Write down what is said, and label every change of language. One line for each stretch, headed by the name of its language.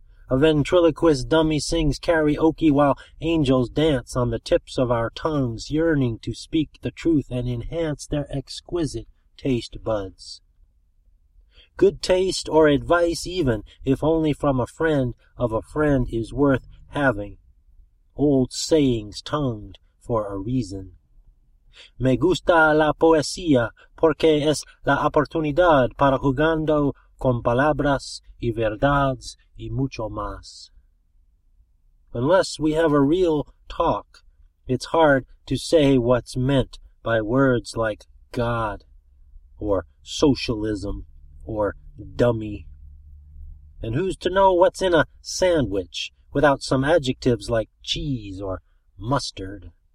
English: A ventriloquist dummy sings karaoke while angels dance on the tips of our tongues, yearning to speak the truth and enhance their exquisite taste buds. Good taste or advice, even if only from a friend of a friend, is worth having. Old sayings tongued for a reason.
Spanish: Me gusta la poesía porque es la oportunidad para jugando con palabras y verdades y mucho más.
English: Unless we have a real talk, it's hard to say what's meant by words like God or socialism or dummy. And who's to know what's in a sandwich without some adjectives like cheese or mustard?